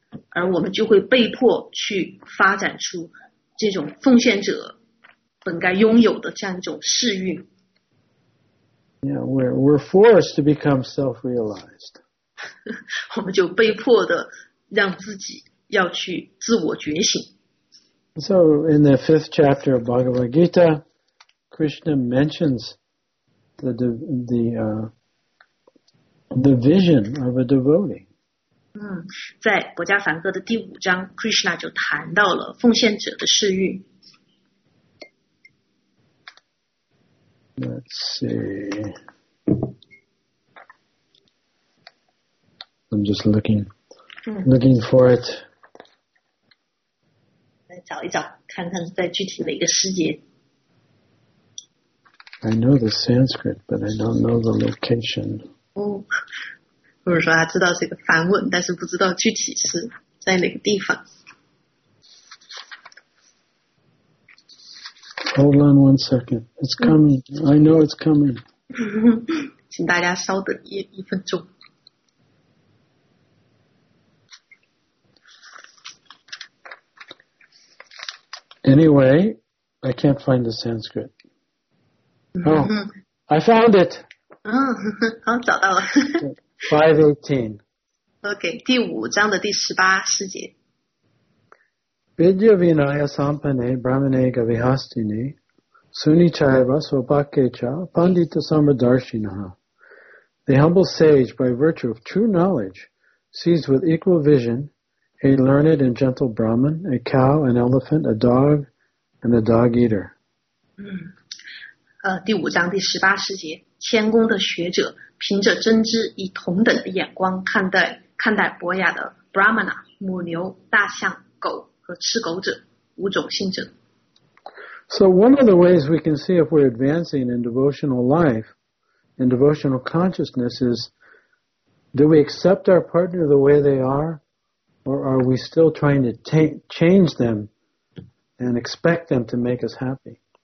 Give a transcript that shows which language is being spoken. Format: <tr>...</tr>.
<zh>而我们就会被迫去发展出这种奉献者本该拥有的这样一种视域。</zh> <en>Yeah, we're forced to become self-realized.</en> <zh>我们就被迫的让自己要去自我觉醒。</zh> <en>So in the fifth chapter of Bhagavad Gita, Krishna mentions the vision of a devotee.</en> <zh>在《薄伽梵歌》的第五章， Krishna 就谈到了奉献者的视域。</zh> <en>Let's see. I'm just looking for it.</en> <zh>找一找，看看在具体的一个时节。</zh> <en>I know the Sanskrit, but I don't know the location.</en> <zh>或者说他知道是一个梵文，但是不知道具体是在哪个地方。</zh> <en>Hold on one second, it's coming. I know it's coming.</en> <zh>请大家稍等一分钟。</zh> <en>Anyway, I can't find the Sanskrit. Oh, I found it.</en> <zh>好，找到了。</zh> <en>518.</en> <zh>Okay, 第五章的第十八世界。</zh> <sa>Vidya vinaya sampane brahmane gavihastini sunichayava sopakecha pandita samadarshinaha.</sa> <en>The humble sage, by virtue of true knowledge, sees with equal vision a learned and gentle Brahman, a cow, an elephant, a dog, and a dog eater.</en> <zh>第五章第十八世节，谦恭的学者凭着真知，以同等的眼光看待博雅的 Brahmana 母牛、大象、狗和吃狗者。五种性质。</zh> <en>So one of the ways we can see if we're advancing in devotional life, in devotional consciousness, is do we accept our partner the way they are, or are we still trying to change them and expect them to make us happy?</en>